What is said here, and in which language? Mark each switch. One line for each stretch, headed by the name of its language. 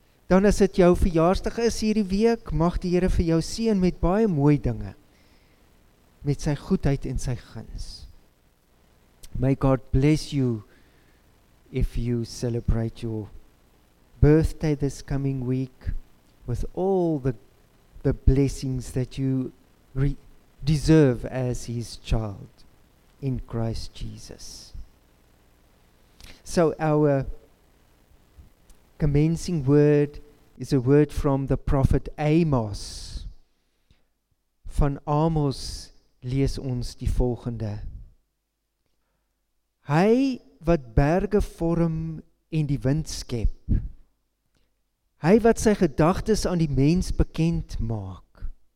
Afrikaans: Dan as dit jou verjaarsdag is hierdie week, mag die Here vir jou seën met baie mooi dinge, met sy goedheid en sy guns.
English: May God bless you if you celebrate your birthday this coming week with all the blessings that you deserve as His child in Christ Jesus. So our commencing word is a word from the prophet Amos.
Afrikaans: Van Amos lees ons die volgende. Hy wat berge vorm en die wind skep. Hy wat sy gedagtes aan die mens bekend maak.